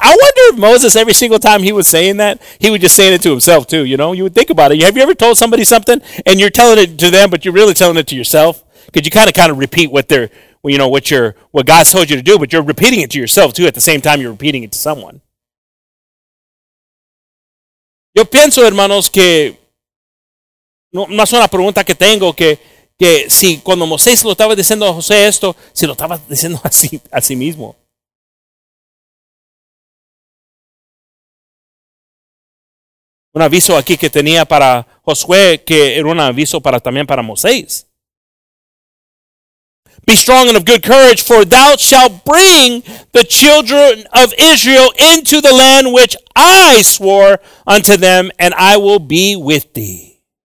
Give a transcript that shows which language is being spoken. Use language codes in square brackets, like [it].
[en] I wonder if Moses, every single time he was saying that, he was just saying it to himself too, you know? You would think about it. Have you ever told somebody something and you're telling it to them, but you're really telling it to yourself? Because you kind of repeat what God's told you to do, but you're repeating it to yourself too at the same time you're repeating it to someone. [es] Yo pienso, hermanos, que no es una pregunta que tengo, que si cuando Moisés lo estaba diciendo a José esto, si lo estaba diciendo así, a sí mismo. un aviso aquí que tenía para Josué, que era un aviso para también para Moisés. [en] Be strong and of good courage, for thou shalt bring the children of Israel into the land which I swore unto them, and I will be with thee.